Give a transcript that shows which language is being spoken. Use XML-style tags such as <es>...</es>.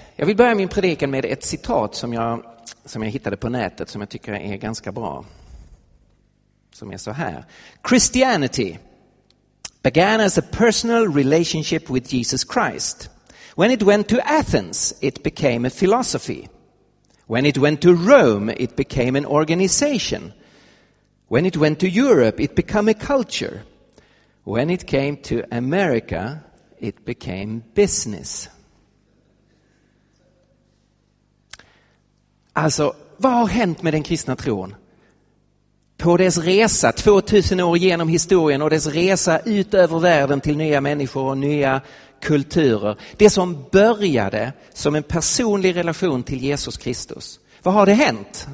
<sv>Jag vill börja min predikan med ett citat som jag hittade på nätet som jag tycker är ganska bra. Som är så här.</sv> <en>Christianity began as a personal relationship with Jesus Christ. When it went to Athens, it became a philosophy. When it went to Rome, it became an organization. When it went to Europe, it became a culture. When it came to America, it became business.</en> <sv>Alltså, vad har hänt med den kristna tron? På dess resa, 2000 år genom historien och dess resa ut över världen till nya människor och nya kulturer. Det som började som en personlig relation till Jesus Kristus. Vad har det hänt?</sv>